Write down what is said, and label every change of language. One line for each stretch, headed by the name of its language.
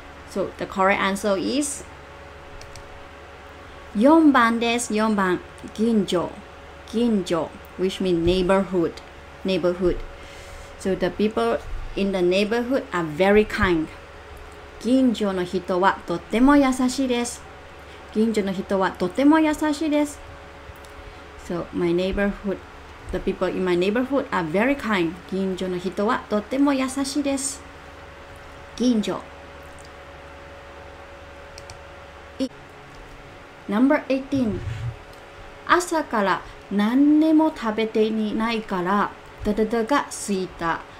English: So the correct answer is
Japanese: 4番です4番近所近所
English: which means neighborhood. Neighborhood. So the people in the neighborhood are very kind.
Japanese: 近所の人はとても優しいです近所の人はとても優しいです。
English: So, my neighborhood, the people in my neighborhood are very kind.
Japanese: 近所の人はとても優しいです。近所。
English: Number 18.
Japanese: 朝から何にも食べていないから、ドドドがすいた。